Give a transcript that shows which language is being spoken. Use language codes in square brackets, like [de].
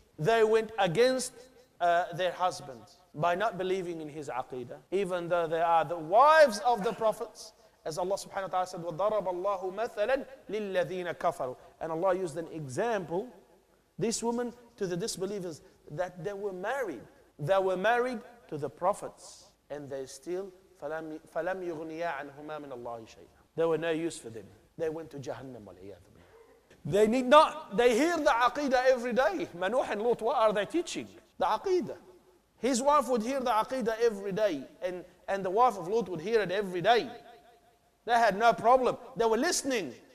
[en] They went against their husbands by not believing in his aqidah, even though they are the wives of the prophets. As Allah subhanahu wa ta'ala said, [ar] وَضَرَبَ اللَّهُ مَثَلًا لِلَّذِينَ كَفَرُوا. [en] And Allah used an example, this woman, to the disbelievers, that they were married. They were married to the prophets. And they still, [ar] فَلَمْ يُغْنِيَا عَنْهُمَا مِنَ اللَّهِ شَيْءٍ. [en] There were no use for them. They went to Jahannam. They need not, they hear the aqidah every day. Manuh and Lut, what are they teaching? The aqidah. His wife would hear the aqidah every day. And the wife of Lut would hear it every day. They had no problem. They were listening.